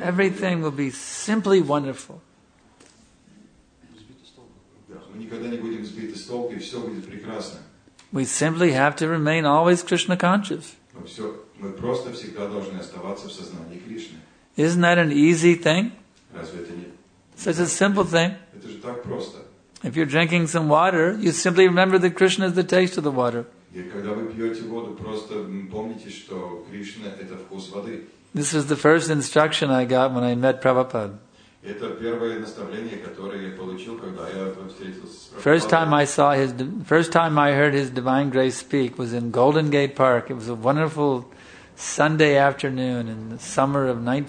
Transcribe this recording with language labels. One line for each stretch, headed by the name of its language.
English: Everything will be simply wonderful.
Russian: Мы никогда не будем сбиты с толку, и все будет прекрасно.
English: We simply have to remain always Krishna conscious.
Russian: Мы просто всегда должны оставаться в сознании Кришны.
English: Isn't that an easy thing?
Russian: Разве это не?
English: Such a simple thing.
Russian: Это же так просто.
English: If you're drinking some water, you simply remember that Krishna is the taste of the water.
Russian: И когда вы пьете воду, просто помните, что Кришна это вкус воды.
English: This is the first instruction I got when I met Prabhupada.
Russian: Это первое наставление, которое я получил, когда я встретился с Прабхупадой.
English: First time I heard his divine grace speak was in Golden Gate Park. It was a wonderful Sunday afternoon in the summer of